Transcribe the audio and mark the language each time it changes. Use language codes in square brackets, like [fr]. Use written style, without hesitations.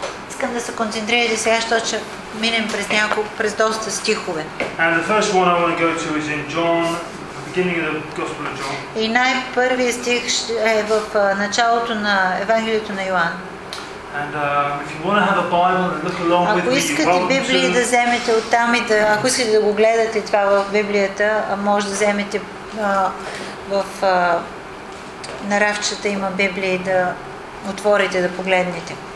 [bg] Искам да се концентрирате сега, защото ще минем през няколко, през доста стихове. [en] And the first one I want to go to is in John, the beginning of the Gospel of John. [bg] И най-първият стих е в началото на Евангелието на Йоан. [en] And if you want to have a Bible and look along with me, [bg] ако искате Библия да вземете оттам и да, ако искате да го гледате това в Библията, може да вземете в на рафчета има Библия да отворите да погледнете.